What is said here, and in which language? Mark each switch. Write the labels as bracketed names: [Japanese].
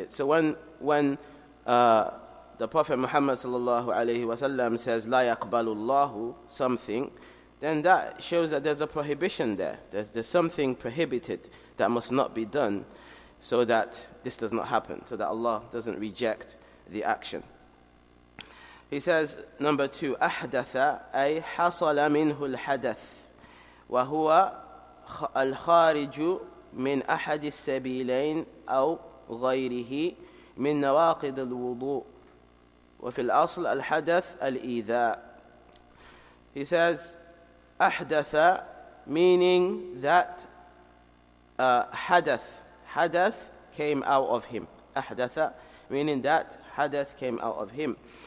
[English] So when the Prophet Muhammad sallallahu alayhi wa sallam says [Arabic] لا يقبل الله [English] something, then that shows that there's a prohibition there. There's something prohibited that must not be done so that this does not happen, so that Allah doesn't reject the action. He says, number two, [Arabic] أحدث أي حصل منه الحدث وهو الخارج من أحد السبيلين أو غيره من نواقض الوضوء وفي الأصل الحدث الإيذاء. [English] He says, أحدث, meaning that حدث came out of him. أحدث, meaning that حدث came out of him.